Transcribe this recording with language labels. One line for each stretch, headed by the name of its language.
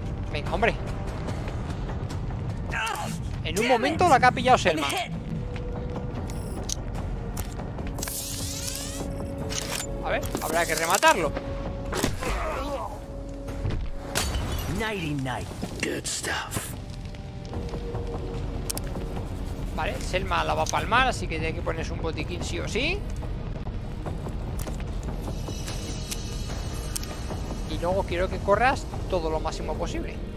Spanish: Venga, hombre. En un momento lo ha pillado Selma. A ver, habrá que rematarlo.
English: Nighty night. Good stuff.
Spanish: Vale, Selma la va a palmar, así que tiene que ponerse un botiquín sí o sí. Y luego quiero que corras todo lo máximo posible.